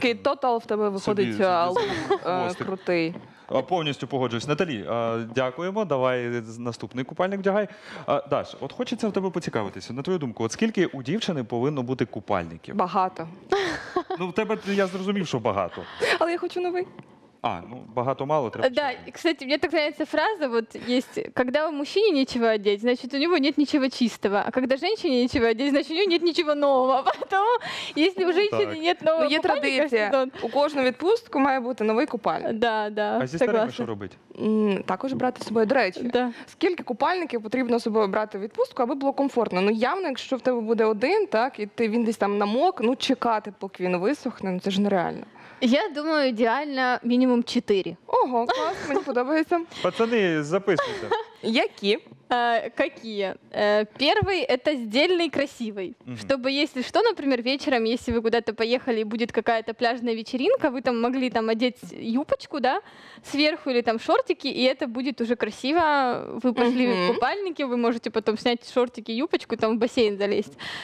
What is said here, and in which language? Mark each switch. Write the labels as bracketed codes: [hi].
[uk] Такий тотал в тебе виходить крутий. Повністю погоджуюсь. Наталі, дякуємо. Давай наступний купальник вдягай. Даш, от хочеться в тебе поцікавитися. На твою думку, от скільки у дівчини повинно бути купальників? Багато. Ну, в тебе, я зрозумів, що багато. Але я хочу новий. А, ну, багато-мало треба. [ru] Да, і, кстати, мені так нравится фраза, вот есть, когда у мужчины нечего одеть, значит, у него нет ничего чистого, а когда женщине нечего одеть, значит, у нее нет ничего нового. Поэтому, если у женщины нет нового купальника, [uk] то... Ну, є традиція. У кожну відпустку має бути новий купальник. Да, да, согласна. А зі старими що робити? Також брати з собою. До речі, да. Скільки купальників потрібно з собою брати в відпустку, аби було комфортно? Ну, явно, якщо в тебе буде один, так, і ти, він десь там намок, ну, чекати, поки він висохне, ну, це ж нереально. Я думаю, ідеально мінімум 4. Ого, клас, мені подобається. Пацани, записуйте. Які? [ru] Какие? Первый – это сдельный красивый. Чтобы, если что, например, вечером, если вы куда-то поехали и будет какая-то пляжная вечеринка, вы там могли там одеть юбочку, да, сверху или там шортики, и это будет уже красиво. Вы пошли в купальнике, вы можете потом снять шортики, юбочку, там в бассейн залезть.